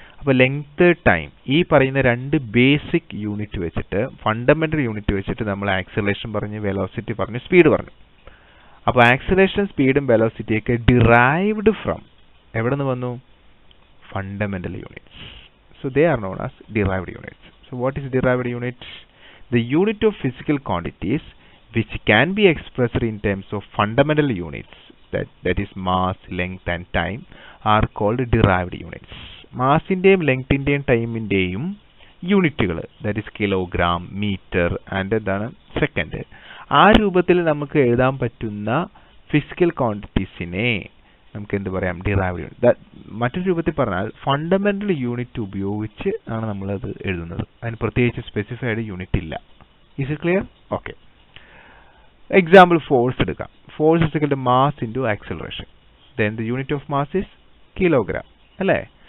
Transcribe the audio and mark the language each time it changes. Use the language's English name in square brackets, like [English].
[Malayalam] അപ്പോൾ length, time, ഈ പറയുന്ന രണ്ട് ബേസിക് യൂണിറ്റ് വെച്ചിട്ട്, ഫണ്ടമെൻ്റൽ യൂണിറ്റ് വെച്ചിട്ട് നമ്മൾ ആക്സിലറേഷൻ പറഞ്ഞ്, വെലോസിറ്റി പറഞ്ഞ്, സ്പീഡ് പറഞ്ഞു. അപ്പോൾ ആക്സിലറേഷനും സ്പീഡും വെലോസിറ്റിയൊക്കെ ഡിറൈവ്ഡ് ഫ്രം എവിടെ നിന്ന് വന്നു, fundamental units. [English] So they are known as derived units. So what is derived unit? The unit of physical quantities which can be expressed in terms of fundamental units, that is mass, length and time, are called derived units. Mass in them, length in them, time in them, unit, that is kilogram, meter and then second. That is what we can write about the physical quantities. [Malayalam] നമുക്ക് എന്ത് പറയാം, derived unit. മറ്റൊരു രൂപത്തിൽ പറഞ്ഞാൽ fundamental unit ഉപയോഗിച്ച് ആണ് നമ്മളത് എഴുതുന്നത്. അതിന് പ്രത്യേകിച്ച് സ്പെസിഫൈഡ് യൂണിറ്റ് ഇല്ല. [English] Is it clear? [Malayalam] Okay, example force എടുക്കാം. [English] Force is equal to mass into acceleration. Then the unit of mass is kilogram അല്ലേ.